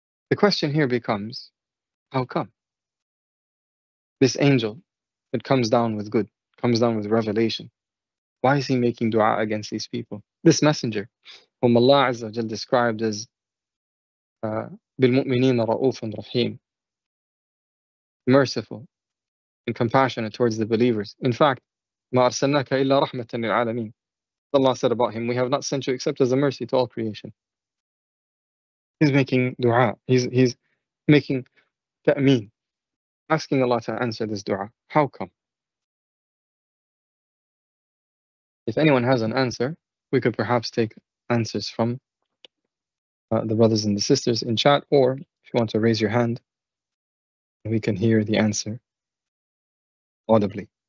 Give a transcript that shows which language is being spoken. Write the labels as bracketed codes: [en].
[en] The question here becomes, how come? This angel that comes down with good, comes down with revelation, why is he making dua against these people? This messenger, whom Allah Azza wa Jalla described as [ar] بِالْمُؤْمِنِينَ رَؤُوفٌ رَحِيمٌ, [en] merciful and compassionate towards the believers. In fact, [ar] مَا أَرْسَلْنَاكَ إِلَّا رَحْمَةً لِلْعَالَمِينَ. [en] Allah said about him, we have not sent you except as a mercy to all creation. He's making dua, he's making ta'meen, asking Allah to answer this dua. How come? If anyone has an answer, we could perhaps take answers from the brothers and the sisters in chat, or if you want to raise your hand, we can hear the answer audibly.